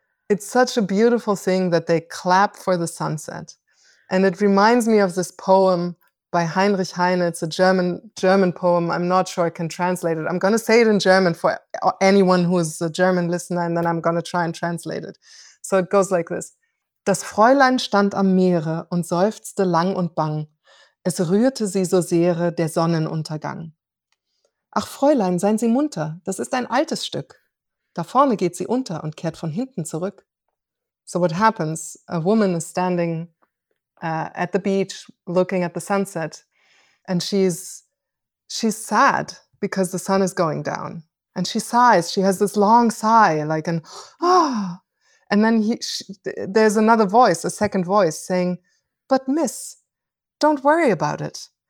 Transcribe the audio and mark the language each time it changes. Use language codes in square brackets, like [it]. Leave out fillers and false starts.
[en] It's such a beautiful thing that they clap for the sunset. And it reminds me of this poem by Heinrich Heine. It's a German poem. I'm not sure I can translate it. I'm going to say it in German for anyone who is a German listener, and then I'm going to try and translate it. So it goes like this. [de] Das Fräulein stand am Meere und seufzte lang und bang. Es rührte sie so sehr der Sonnenuntergang. Ach, Fräulein, seien Sie munter, das ist ein altes Stück. Da vorne geht sie unter und kehrt von hinten zurück. [en] So what happens, a woman is standing at the beach looking at the sunset, and she's sad because the sun is going down. And she sighs, she has this long sigh, like an ah. Oh. And then there's another voice, a second voice, saying, but miss, don't worry about it.